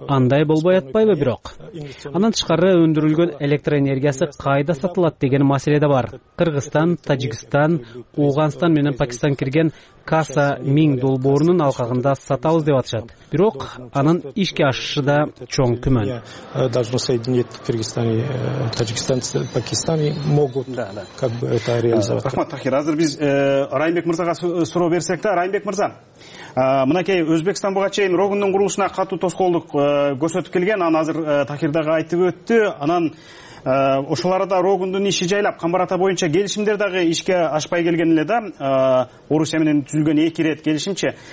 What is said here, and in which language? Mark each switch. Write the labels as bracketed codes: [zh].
[ky] Андай болбой атпайбы бирок? Анан тышкары өндүрүлгөн электроэнергиясы кайда сатылат деген маселе да бар. Кыргызстан, Тажикстан, Ооганстан менен Пакистан кирген Каса миң долбоорунун алкагында сатабыз деп атышат. Бирок анын ишке ашышы да чоң күмөн. [ru] Должно соединить Кыргызстан, Таджикистан, Пакистан и могут как бы это реализовать. [ky] Рахмат Тахир, азыр биз Райымбек мырзага суроо берсек да, Райымбек мырза, мынакей Өзбекстан буга чейин Рогундун курулушуна катуу тоскоолдук көрсөтүп келген, анан азыр Тахир дагы айтып өттү, анан ошол арада Рогундун иши жайлап камбар ата боюнча келишимдер дагы ишке ашпай келген эле да, Орусия менен түзүлгөн эки ирет келишимчи.